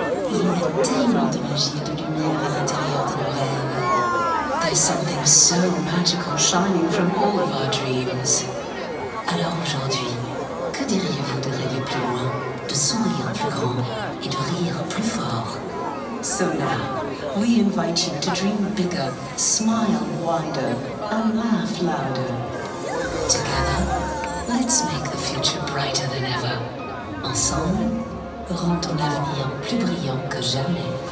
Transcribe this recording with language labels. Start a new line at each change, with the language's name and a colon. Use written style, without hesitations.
French: Il y a tellement de magie de lumière à l'intérieur de nos rêves.
English: There's something so magical shining from all of our dreams.
French: Alors aujourd'hui, que diriez-vous de rêver plus loin, de sourire plus grand et de rire plus fort?
English: So now, we invite you to dream bigger, smile wider, and laugh louder. Together, let's make the future brighter than ever.
French: Ensemble, rend ton avenir plus brillant que jamais.